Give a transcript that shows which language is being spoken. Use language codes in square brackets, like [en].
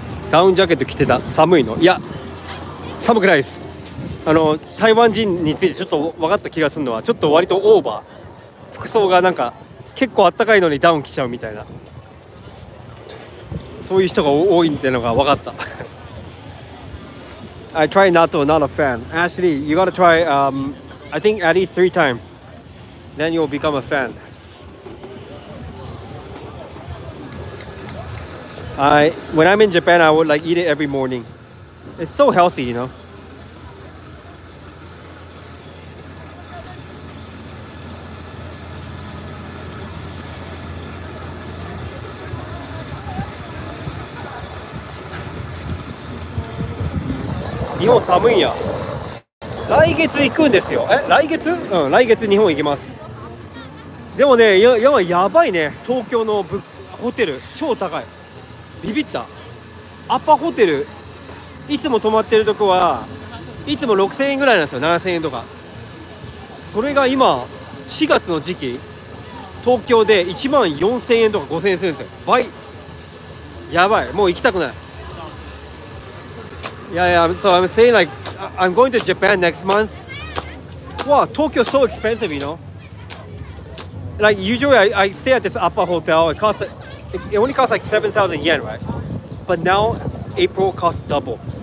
[ja] ダウンジャケット着てた。寒いの？いや、寒くないです。あの、台湾人についてちょっと分かった気がするのは、ちょっと割とオーバー服装が、なんか結構あったかいのにダウン着ちゃうみたいな、そういう人が多いってのが分かった。 [en] I try not to, not a fan. Ashley, you gotta try, I think at least 3 times. Then you'll become a fan. I, when I'm in Japan, I would like eat it every morning. It's so healthy, you know. Japan is cold. [ja] 来月行くんですよ。え、来月？うん、来月日本行きます。でもね、やばいね。東京のホテル超高い。ビビった。アッパーホテル、いつも泊まってるとこはいつも6000円ぐらいなんですよ。7000円とか。それが今4月の時期、東京で1万4000円とか5000円するんですよ。倍。やばい。もう行きたくない。 [en] いやいや、so I'm saying like I'm going to Japan next month. Wow, Tokyo is so expensive, you know. Like usually I stay at this upper hotel. It costs. It only costs like 7,000 yen, right? But now, April costs double.